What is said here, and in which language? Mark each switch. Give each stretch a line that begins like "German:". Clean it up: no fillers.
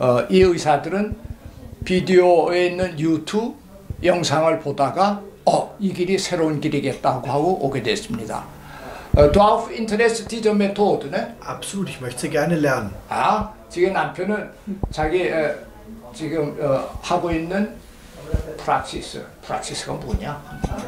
Korean: 이 의사들은 비디오에 있는 유튜브 영상을 보다가 이 길이 새로운 길이겠다 하고 오게 됐습니다.
German: Du auf Interesse dieser Methode, ne? Absolut, ich möchte gerne lernen.
Korean: 아, 지금 남편은 자기 지금 하고 있는 프라치스, 프라치스가 뭐냐?